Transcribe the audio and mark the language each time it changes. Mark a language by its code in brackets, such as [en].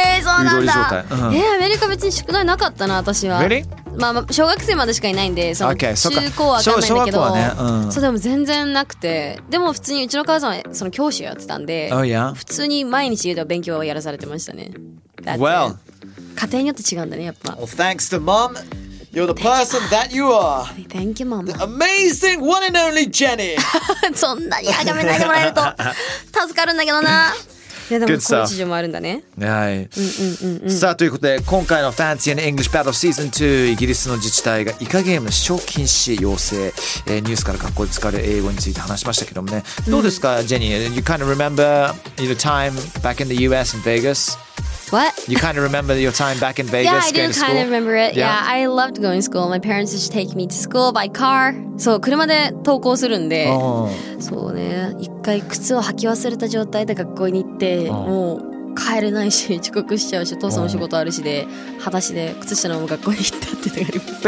[ja] そうなんだ。ウイローリ状態、アメリカ別に宿題なかったな私は。 [en] Really? [ja] まあ、小学生までしかいないんで、その中高は分かんないんだけど、小学校はね、そうでも全然なくて、でも普通にうちの母さんはその教師をやってたんで、 [en] oh, yeah. [ja] 普通に毎日家では勉強をやらされてましたね。 [en] Well, [ja] 家庭によって違うんだねやっぱ。 [en] Well, thanks to mom, you're the person that you are. Thank you, mom. The amazing one and only Jenny. [ja] そんなに励めないでもらえると助かるんだけどな。いやでもこういう事情もあるんだね。はい、うん。さあということで今回の Fancy and English Battle Season 2、 イギリスの自治体がイカゲーム視聴禁止要請、ニュースから学校で使われる英語について話しましたけどもね、どうですか、ジェニー。 [en] You kind of remember your time back in the US in Vegas? What? You kind of remember your time back in Vegas? Yeah, I do kind of remember it. Yeah, I loved going to school. My parents used to take me to school by car. [ja] そう、車で登校するんで、そうね、一回靴を履き忘れた状態で学校に行って、もう帰れないし遅刻しちゃうし、父さんも仕事あるしで、裸足で靴下のまま学校に行ったっていうのがあります。